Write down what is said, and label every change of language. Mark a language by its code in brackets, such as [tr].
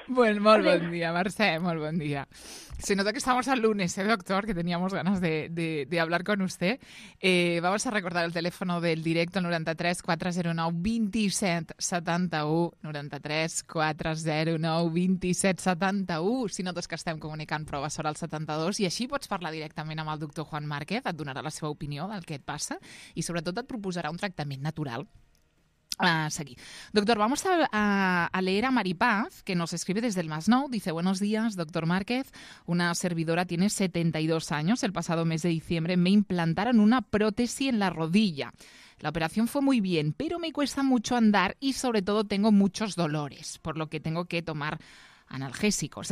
[es] Buen día, [ca] Mercè, molt bon dia. [es] Se nota que estamos al lunes, doctor, que teníamos ganas de hablar con usted. Vamos a recordar el teléfono del directo, 93-409-2771, 93-409-2771. [ca] Si notes que estem comunicant, prova sobre el 72, i així pots parlar directament amb el doctor Juan Márquez, et donarà la seva opinió del que et passa, i sobretot et proposarà un tractament natural. Seguir. [es] Doctor, vamos a leer a Maripaz, que nos escribe desde el Masnou. Dice, buenos días, doctor Márquez. Una servidora tiene 72 años. El pasado mes de diciembre me implantaron una prótesis en la rodilla. La operación fue muy bien, pero me cuesta mucho andar y sobre todo tengo muchos dolores, por lo que tengo que tomar analgésicos.